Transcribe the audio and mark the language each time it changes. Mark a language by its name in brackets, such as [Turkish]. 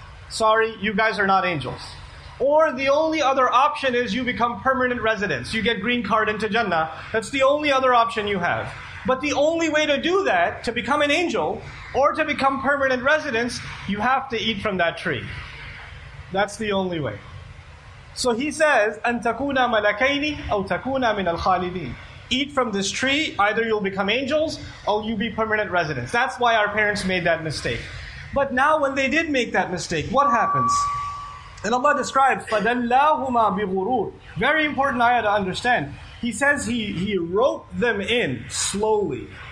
[English] Sorry, you guys are not angels. Or the only other option is you become permanent residents. You get green card into Jannah. That's the only other option you have. But the only way to do that, to become an angel, or to become permanent residents, you have to eat from that tree. That's the only way. So he says, [Arabic] أَن تَكُونَ مَلَكَيْنِ أَوْ تَكُونَ مِنَ الْخَالِدِينَ. [English] Eat from this tree, either you'll become angels, or you'll be permanent residents. That's why our parents made that mistake. But now when they did make that mistake, what happens? And Allah describes, [Arabic] فَدَلَّاهُمَا بِغُرُورٍ. [English] Very important ayah to understand. He says he roped them in slowly.